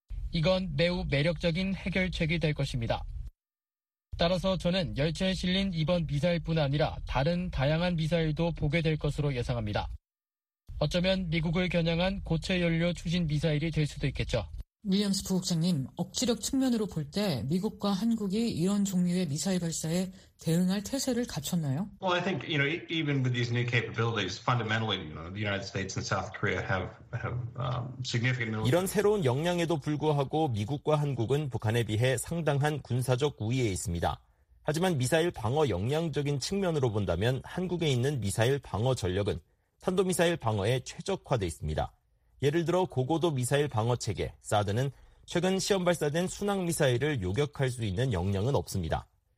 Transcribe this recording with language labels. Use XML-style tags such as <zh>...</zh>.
<ko>이건 매우 매력적인 해결책이 될 것입니다. 따라서 저는 열차에 실린 이번 미사일뿐 아니라 다른 다양한 미사일도 보게 될 것으로 예상합니다. 어쩌면 미국을 겨냥한 고체 연료 추진 미사일이 될 수도 있겠죠. 윌리엄스 부국장님, 억지력 측면으로 볼 때 미국과 한국이 이런 종류의 미사일 발사에 대응할 태세를 갖췄나요?</ko> <en>Well, I think, you know, even with these new capabilities, fundamentally, you know, the United States and South Korea have significant</en> <ko>이런 새로운 역량에도 불구하고 미국과 한국은 북한에 비해 상당한 군사적 우위에 있습니다. 하지만 미사일 방어 역량적인 측면으로 본다면 한국에 있는 미사일 방어 전력은 탄도미사일 방어에 최적화돼 있습니다. 예를 들어 고고도 미사일 방어체계, 사드는 최근 시험 발사된 순항미사일을 요격할 수 있는 역량은 없습니다.</ko>